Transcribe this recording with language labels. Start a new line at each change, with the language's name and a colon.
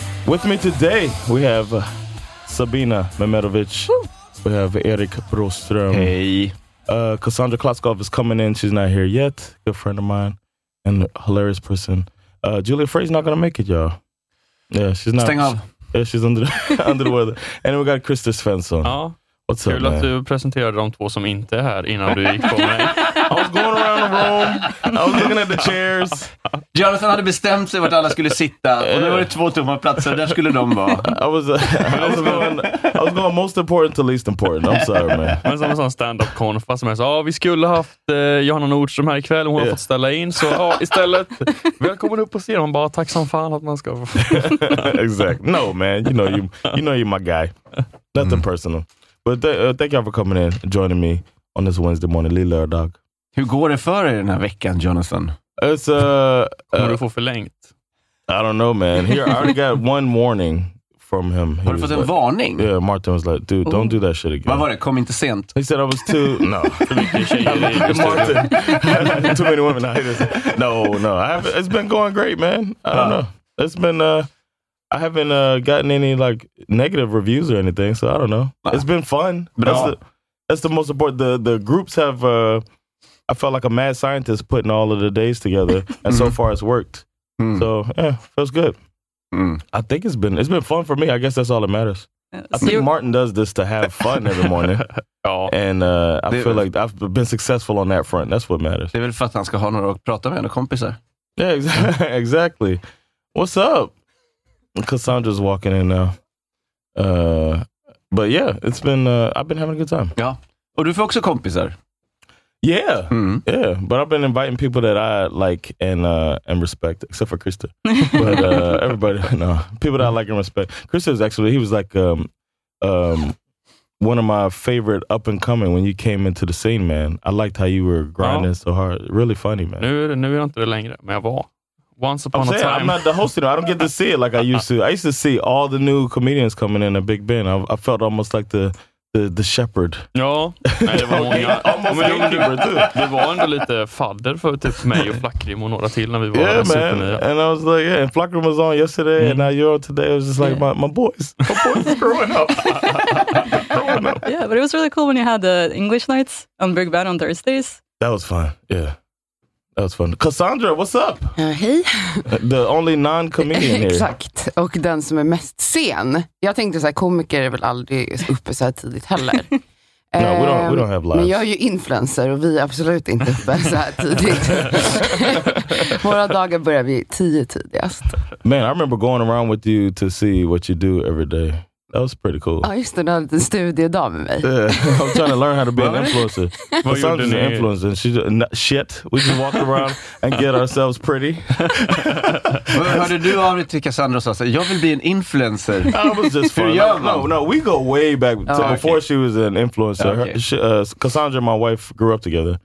English: With me today, we have Sabina Mehmedovic. We have Erik Broström. Hey. Cassandra Klotzkoff is coming in. She's not here yet. Good friend of mine and hilarious person. Julia Frey's not going to make it, y'all. Yeah, she's not.
Swedish: Stäng av.
English: Yeah, she's under the weather. And we got Christer Svensson.
Swedish: Ja.
English: What's kul up,
Swedish: att man? Du presenterade de två som inte är här innan du gick på mig.
English: I was going around the room. I was looking at the chairs.
Swedish: Jonathan hade bestämt sig vart alla skulle sitta. Och nu var det två tomma platser. Där skulle de vara.
English: I was going most important to least important. I'm sorry, man.
Swedish: Men som en sån stand-up konfa som jag sa. Vi skulle ha haft Johanna Nordström här ikväll. Hon har fått ställa in. Så istället, välkommen upp på scenen. Hon bara, tack som fan att man ska få.
English: Exactly. No, man. You know you my guy. Nothing personal. But thank you for coming in and joining me on this Wednesday morning, Lilla Dog.
Swedish: Hur går det för er den här veckan, Jonathan?
English: It's
Swedish: Kommer du få förlängt?
English: I don't know, man. Here, I already got one warning from him.
Swedish: Har du fått en varning?
English: Yeah, Martin was like, dude, don't do that shit again.
Swedish: Vad var det? Kom inte sent.
English: He said I was too... No. Martin. Too many women. No. It's been going great, man. I don't know. It's been... I haven't gotten any like negative reviews or anything, so I don't know. Nah. It's been fun. That's the most important. The groups have. I felt like a mad scientist putting all of the days together, and so far it's worked. Mm. So yeah, feels good. Mm. I think it's been fun for me. I guess that's all that matters. I think Martin does this to have fun every morning. I've been successful on that front. That's what matters.
Swedish: Det är väl för att han ska ha några att prata med och kompisar.
English: Yeah, exactly. What's up? Cassandra's walking in now. But yeah, it's been I've been having a good time.
Swedish: Ja. Och du får också kompisar.
English: Yeah. Mm. Yeah, but I've been inviting people that I like and respect, except for Krista. But everybody, no. People that I like and respect. Krista is actually, he was like one of my favorite up and coming when you came into the scene, man. I liked how you were grinding so hard. Really funny, man.
Swedish: Nu är jag inte det längre, men jag var.
English: Once upon I'm a saying, time. I'm not the host anymore. I don't get to see it like I used to. I used to see all the new comedians coming in at Big Ben. I felt almost like the shepherd.
Swedish: Ja. Nej, det var många.
English: Almost the gatekeeper too.
Swedish: Det var ändå lite fadder för typ mig och Flackrim och några till när vi var
English: yeah,
Swedish: där.
English: Man. And I was like, yeah, and Flackrim was on yesterday and now you're on today. It was just like my boys growing up. Yeah, but it was really cool when you had the English nights on Big Ben on Thursdays. That was fun, yeah. That was fun. Cassandra, what's up?
Swedish: Hej.
English: The only non-comedian here.
Swedish: Exakt. Och den som är mest sen. Jag tänkte så här, komiker är väl aldrig uppe så här tidigt heller. No, we don't have lives. Men jag är ju influencer och vi är absolut inte uppe så här tidigt. Våra dagar börjar vi 10 tidigast.
English: Man, I remember going around with you to see what you do every day. That was pretty cool.
Swedish: Ja, just det. Du hade en studiedag med mig.
English: Yeah, I'm trying to learn how to be an influencer. Well, so I'm just an influencer. And shit. We just walk around and get ourselves pretty.
Swedish: Hörde du av dig till Cassandra och sa, jag vill bli en influencer.
English: I was just fun. No, we go way back. Before she was an influencer. Okay. Cassandra and my wife grew up together.